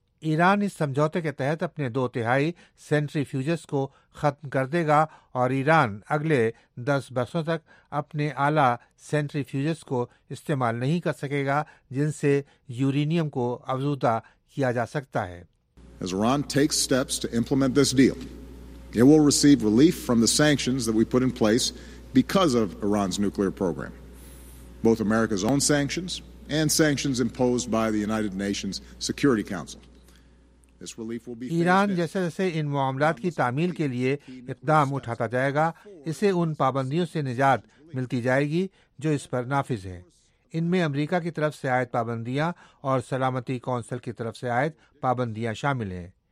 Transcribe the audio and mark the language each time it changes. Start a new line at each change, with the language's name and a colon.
Urdu: ایران اس سمجھوتے کے تحت اپنے دو تہائی سینٹری فیوجز کو ختم کر دے گا اور ایران اگلے 10 برسوں تک اپنے اعلیٰ سینٹری فیوجز کو استعمال نہیں کر سکے گا جن سے یورینیم کو افزودہ کیا جا سکتا ہے.
English: As Iran takes steps to implement this deal, it will receive relief from the sanctions that we put in place because of Iran's nuclear program. Both America's own sanctions and sanctions imposed by the United Nations Security Council. This relief will be phased in.
Urdu: Iran جیسے جیسے ان معاملات کی تعمیل کے لیے اقدام اٹھاتا جائے گا اسے ان پابندیوں سے نجات ملتی جائے گی جو اس پر نافذ ہیں. ان میں امریکہ کی طرف سے عائد پابندیاں اور سلامتی کونسل کی طرف سے عائد پابندیاں شامل ہیں.